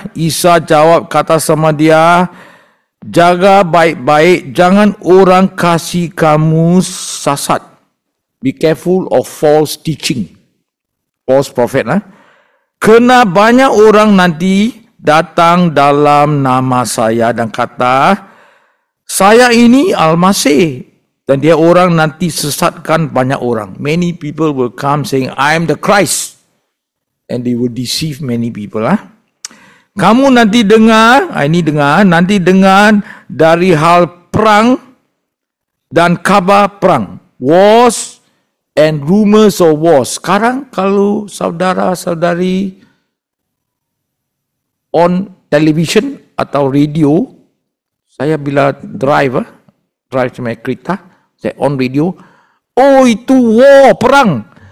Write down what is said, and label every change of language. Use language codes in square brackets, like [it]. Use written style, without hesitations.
[ms] Isa jawab kata sama dia, jaga baik-baik, jangan orang kasih kamu sesat. [en] Be careful of false teaching. False prophet. [ms] Kena banyak orang nanti datang dalam nama saya dan kata, saya ini Al-Masih. Dan dia orang nanti sesatkan banyak orang. [en] Many people will come saying, I am the Christ. And they will deceive many people. [ms] Kamu nanti dengar, nanti dengar dari hal perang dan kabar perang. [en] Wars and rumors of war. [ms] Sekarang kalau saudara-saudari [en] on television [ms] atau radio, saya bila [en] drive [ms] sama kereta, saya [en] on radio, [ms] itu [en] war, [ms] perang.